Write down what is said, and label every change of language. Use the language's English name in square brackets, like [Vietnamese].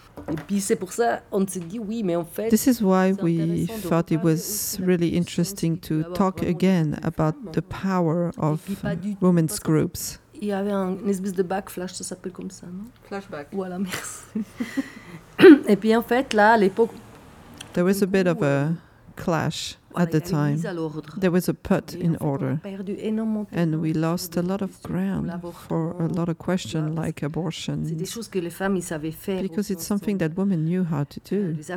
[French] Et puis c'est pour ça on s'est dit oui mais en fait. [English] This is why we thought it was really interesting to talk again about the power of women's groups. [French] Il y avait un espèce de backflash, ça s'appelle comme ça, non? [English] Flashback. [French] Voilà, merci. Et puis en fait là à l'époque. [English] There was a bit of a clash at the time. There was a put in order. And we lost a lot of ground for a lot of questions like abortion. Because it's something that women knew how to do.